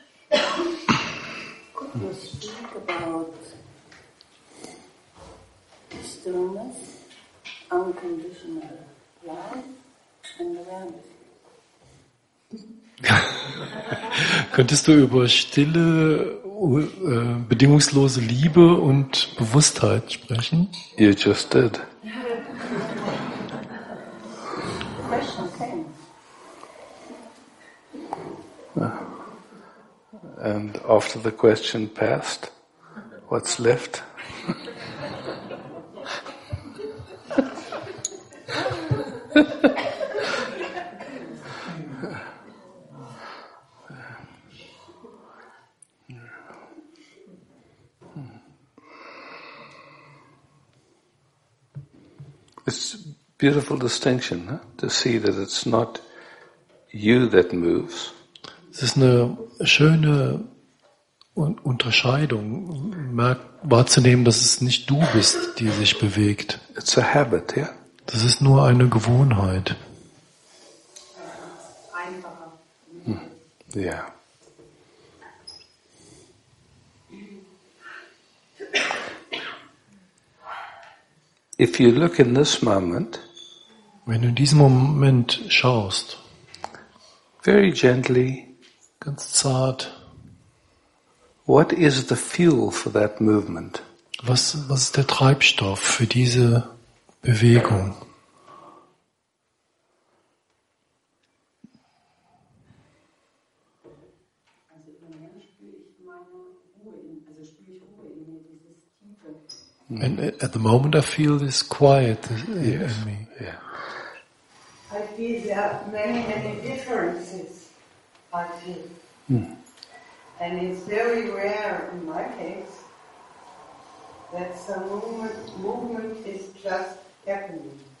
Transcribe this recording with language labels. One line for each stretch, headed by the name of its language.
English: Could you speak about stillness, unconditional love and reality?
German: Könntest du über stille, bedingungslose Liebe und Bewusstheit sprechen?
English: You just did. And after the question passed, what's left? It's a beautiful distinction, huh? To see that it's not you that moves.
German: Es ist eine schöne Unterscheidung, wahrzunehmen, dass es nicht du bist, die sich bewegt.
English: It's a habit, yeah?
German: Das ist nur eine Gewohnheit. Einfacher. Yeah.
English: If you look in this moment,
German: wenn du in diesem Moment schaust,
English: very gently,
German: ganz zart.
English: What is the fuel for that movement?
German: Was ist der Treibstoff für diese Bewegung? Also im Moment spüre ich meine Ruhe in mir.
English: At the moment I feel this quiet in me. Yeah. I feel there are many differences. And it's very rare in my case that some movement is just happening.